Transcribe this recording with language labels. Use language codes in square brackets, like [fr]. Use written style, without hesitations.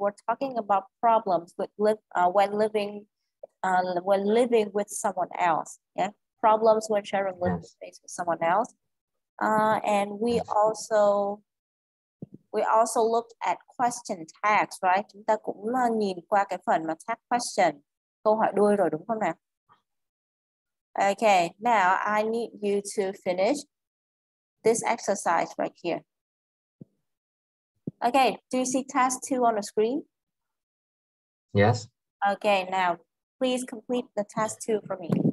[en] We were talking about problems when living with someone else. Yeah, problems when sharing living space with someone else. And we also looked at question tags, right? [vi] Chúng ta cũng nhìn qua cái phần mà tag question, câu hỏi đuôi rồi đúng không nào? [en] Okay, now I need you to finish this exercise right here. Okay, do you see task 2 on the screen? Yes. Okay, now please complete the task 2 for me.